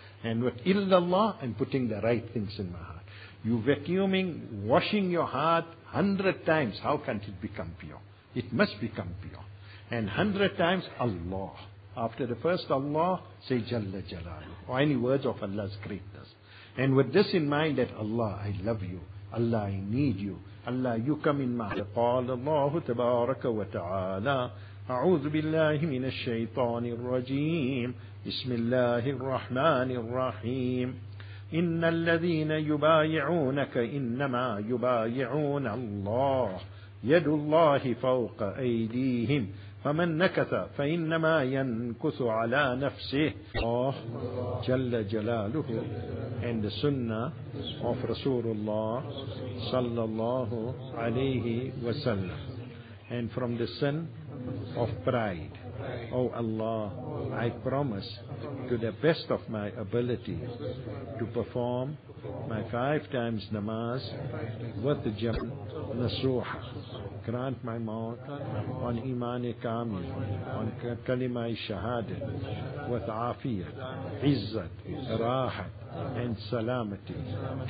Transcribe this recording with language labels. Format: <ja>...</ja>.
<en>And with illallah and putting the right things in my heart. You vacuuming, washing your heart 100 times, how can it become pure? It must become pure. And 100 times, Allah. After the first Allah, say Jalla Jalaluhu, or any words of Allah's greatness. And with this in mind that Allah, I love you. Allah, I need you. Allah, you come in my heart.</en> <ar>قال الله تبارك وتعالى أعوذ بالله من الشيطان الرجيم بسم الله الرحمن الرحيم إن الذين يبايعونك إنما يبايعون الله يد الله فوق أيديهم فمن نكث فإنما ينكث على نفسه. الله جل جلاله</ar> <en>and the sunnah of Rasulullah</en> <ar>صلى الله عليه وسلم.</ar> <en>And from the sin of pride. Oh Allah, I promise to the best of my ability to perform my 5 times namaz with the jama'ah nasuha. Grant my mouth on imani kamil, on kalima'i shahadat, with afiyat, izzat, rahat, and salamati.</en>